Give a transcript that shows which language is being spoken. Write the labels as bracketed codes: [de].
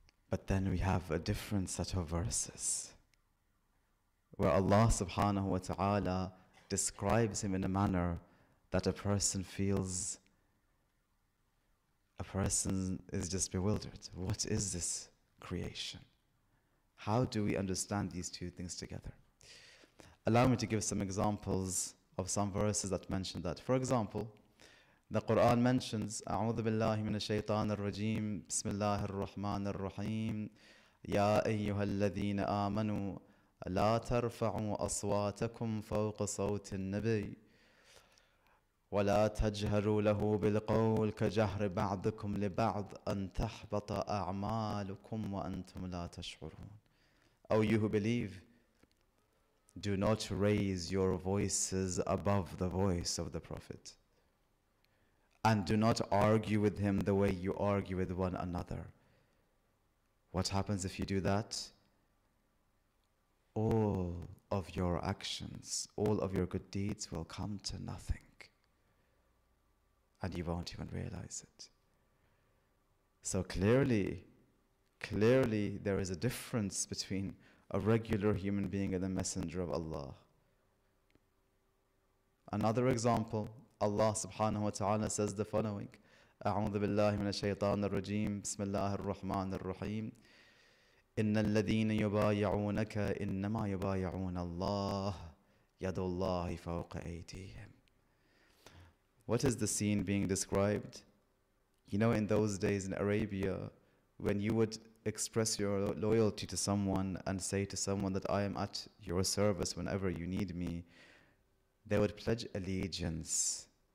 [en] But then we have a different set of verses where Allah subhanahu wa ta'ala describes him in a manner that a person feels, a person is just bewildered. What is this creation? How do we understand these two things together? Allow me to give some examples of some verses that mention that. For example, The Quran mentions, [ar] أعوذ بالله من الشيطان الرجيم بسم الله الرحمن الرحيم يا أيها الذين آمنوا لا ترفعوا أصواتكم فوق صوت النبي ولا تجهروا له بالقول كجهر بعضكم لبعض أن تحبط أعمالكم وأنتم لا تشعرون. [en] O you who believe, do not raise your voices above the voice of the Prophet, and do not argue with him the way you argue with one another. What happens if you do that? All of your actions, all of your good deeds will come to nothing, and you won't even realize it. So clearly there is a difference between a regular human being and the messenger of Allah. Another example, Allah subhanahu wa ta'ala says the following, [ar] أعوذ بالله من الشيطان الرجيم بسم الله الرحمن الرحيم إن الذين يبايعونك إنما يبايعون الله يد الله فوق أيديهم. [en] What is the scene being described? You know, in those days in Arabia, when you would express your loyalty to someone and say to someone that I am at your service whenever you need me, they would pledge allegiance.